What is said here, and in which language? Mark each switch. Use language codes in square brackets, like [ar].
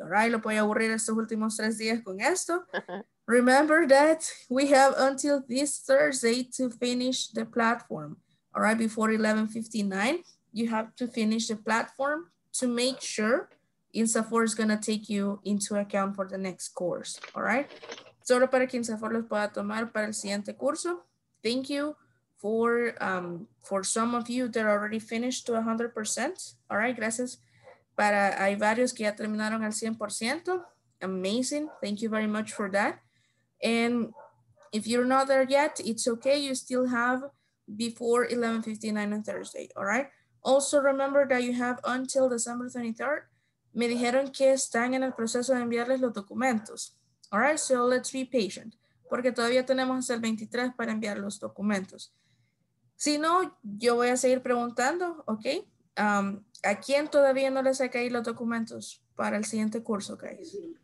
[es] All right. Lo voy a aburrir estos últimos tres días con esto. [en] Remember that we have until this Thursday to finish the platform. All right. Before 11:59, you have to finish the platform to make sure INSAFOR is going to take you into account for the next course. All right. [es] Solo para que INSAFOR los pueda tomar para el siguiente curso. [en] Thank you. For some of you that already finished to 100%. All right, gracias. [es] Para, hay varios que ya terminaron al 100%. Amazing. [en] Thank you very much for that. And if you're not there yet, it's okay. You still have before 11:59 on Thursday, all right? Also, remember that you have until December 23rd. [es] Me dijeron que están en el proceso de enviarles los documentos. [en] All right, so let's be patient. [es] Porque todavía tenemos hasta el 23 para enviar los documentos. Si no, yo voy a seguir preguntando, ¿ok? ¿A quién todavía no les ha caído los documentos para el siguiente curso, guys?